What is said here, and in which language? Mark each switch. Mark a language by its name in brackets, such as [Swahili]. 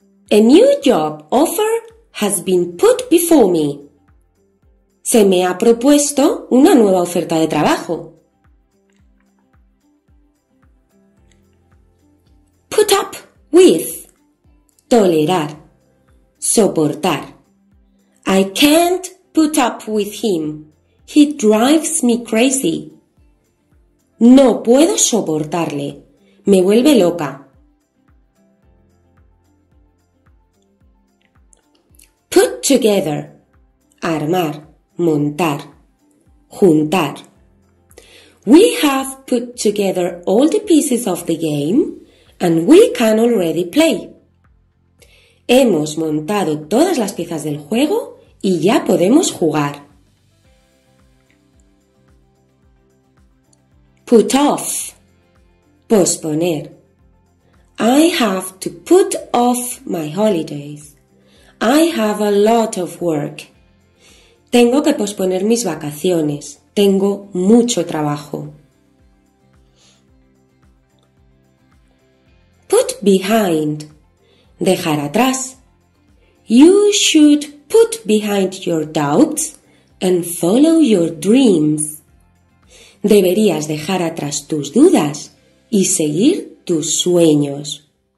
[English] A new job offer has been put before me. [Spanish] Se me ha propuesto una nueva oferta de trabajo. [English] Put up with. [Spanish] Tolerar. Soportar. [English] I can't put up with him. He drives me crazy. [Spanish] No puedo soportarle. Me vuelve loca. [English] Put together. [Spanish] Armar, montar, juntar. [English] We have put together all the pieces of the game and we can already play. [Spanish] Hemos montado todas las piezas del juego y ya podemos jugar. [English] Put off. [Spanish] Posponer. [English] I have to put off my holidays. I have a lot of work. [Spanish] Tengo que posponer mis vacaciones. Tengo mucho trabajo. [English] Put behind. [Spanish] Dejar atrás. [English] You should put behind your doubts and follow your dreams. [Spanish] Deberías dejar atrás tus dudas y seguir tus sueños.